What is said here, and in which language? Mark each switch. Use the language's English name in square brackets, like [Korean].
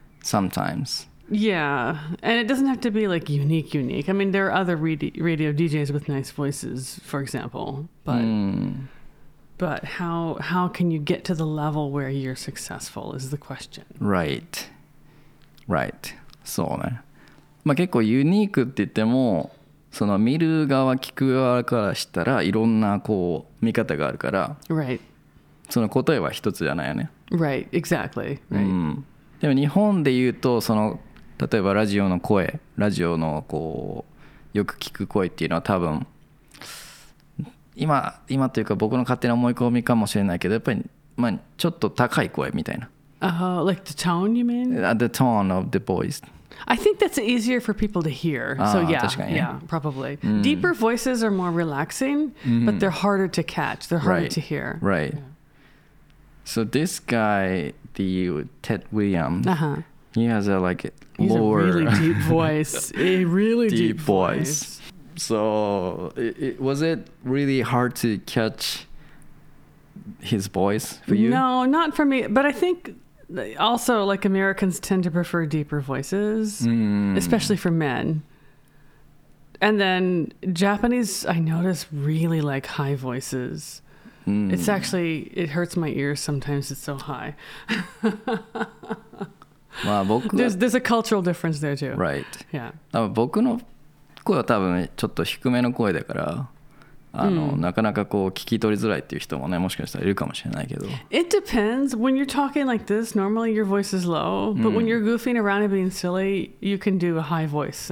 [English] Sometimes. Yeah. And it doesn't have to be like unique. I mean, there are other radio DJs with nice voices, for example. But how can you get to the level where you're successful is the question. Right. Right. [Japanese] そうね。まあ結構ユニークって言っても、その見る側、聞く側からしたらいろんなこう見方があるから。 [English] Right. [Japanese] その答えは一つじゃないよね。 [English] Right. Exactly. Right. [Japanese] でも日本で言うとその例えばラジオの声ラジオのこうよく聞く声っていうのは多分今というか僕の勝手な思い込みかもしれないけどやっぱり、まあ、ちょっと高い声みたいな [English] Like the tone you mean? The tone of the voice I think that's easier for people to hear So yeah, yeah probably Deeper voices are more relaxing But they're harder to catch They're harder to hear Right So this guy, the Ted Williams, he has a like lower... He's a really deep voice. A really deep voice. So was it really hard to catch his voice for you? No, not for me. But I think also like Americans tend to prefer deeper voices, especially for men. And then Japanese, I notice, really like high voices. It's actually, it hurts my ears sometimes, it's so high. there's a cultural difference there too. Right. Yeah. [Japanese] 僕の声は多分ちょっと低めの声だから、なかなかこう聞き取りづらいっていう人もね、もしかしたらいるかもしれないけど。 [English] It depends. When you're talking like this, normally your voice is low. But when you're goofing around and being silly, you can do a high voice.